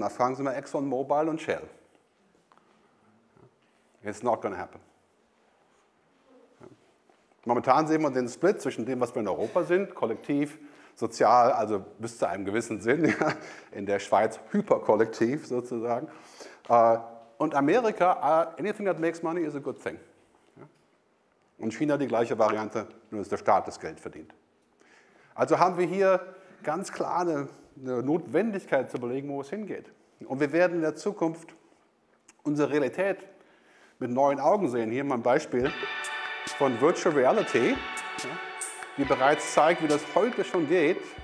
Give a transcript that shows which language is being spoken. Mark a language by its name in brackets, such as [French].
[German] Da fragen Sie mal ExxonMobil und Shell. [English] It's not going to happen. [German] Momentan sehen wir den Split zwischen dem, was wir in Europa sind, kollektiv, sozial, also bis zu einem gewissen Sinn, ja, in der Schweiz hyperkollektiv sozusagen. Und Amerika, [English] anything that makes money is a good thing. [German] Und China die gleiche Variante, nur dass der Staat das Geld verdient. Also haben wir hier ganz klar eine Notwendigkeit zu überlegen, wo es hingeht. Und wir werden in der Zukunft unsere Realität mit neuen Augen sehen. Hier mal ein Beispiel von Virtual Reality, die bereits zeigt, wie das heute schon geht.